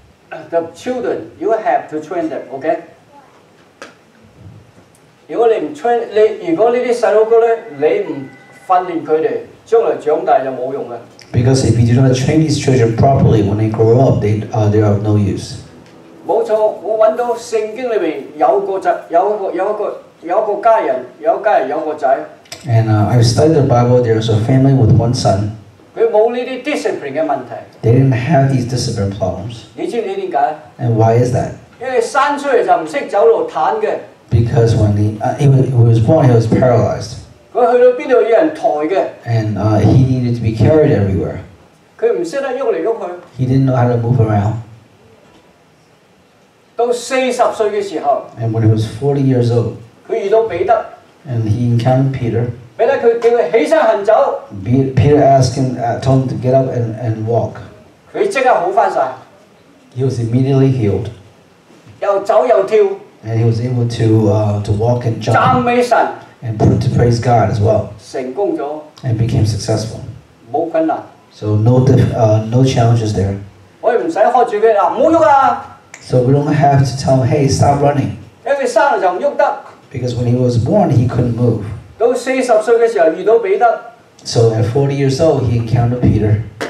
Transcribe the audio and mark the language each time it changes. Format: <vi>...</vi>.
<en>The children, you have to train them, okay? Because if you do not train these children properly when they grow up, they are of no use.</en> <zh>沒錯, 我找到聖經裡面有一個家人有一個兒子。</zh> <en>And I've studied the Bible, there's a family with one son.</en> <zh>他沒有這些discipline的問題。</zh> <en>They didn't have these discipline problems.</en> <zh>你知道為什麼?</zh> <en>And why is that?</en> <zh>因為生出來就不懂走路躺的。</zh> <en>Because when he was born, he was paralyzed.</en> <zh>他去到哪裡有人抬的。</zh> <en>And he needed to be carried everywhere.</en> <zh>他不懂得動來動去。</zh> <en>He didn't know how to move around.</en> <zh>到40歲的時候,</zh> <en>and when he was 40 years old,</en> <zh>他遇到彼得,</zh> <en>and he encountered Peter,</en> <zh>彼得叫他起身行走,</zh> <en>Peter asked him, told him to get up and walk.</en> <zh>他立刻好翻了,</zh> <en>he was immediately healed.</en> <zh>又走又跳,</zh> <en>and he was able to walk and jump,</en> <zh>讚美神,</zh> <en>and to praise God as well.</en> <zh>成功了,</zh> <en>and became successful.</en> <zh>沒困難,</zh> <en>so no challenges there.</en> <zh>我也不用喝著他, 不要動啊,</zh> <en>so we don't have to tell him, hey, stop running. Because when he was born, he couldn't move. So at 40 years old, he encountered Peter.</en>